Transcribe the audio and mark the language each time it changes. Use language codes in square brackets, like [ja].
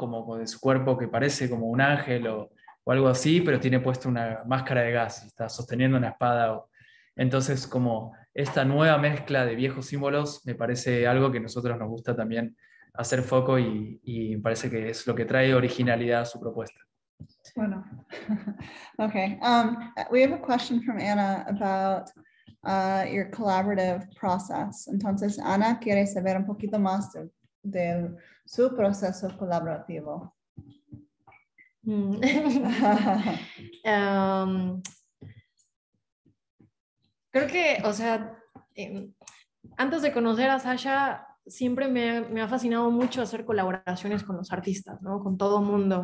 [es] Como con su cuerpo que parece como un ángel o algo así, pero tiene puesta una máscara de gas, está sosteniendo una espada. Entonces, como esta nueva mezcla de viejos símbolos me parece algo que a nosotros nos gusta también hacer foco y me parece que es lo que trae originalidad a su propuesta. Bueno, okay. [en] We have a question from Anna about your collaborative process. [es] Entonces, Anna quiere saber un poquito más de su proceso colaborativo. Creo que, o sea, antes de conocer a Sasha, siempre me ha fascinado mucho hacer colaboraciones con los artistas, ¿no? Con todo mundo.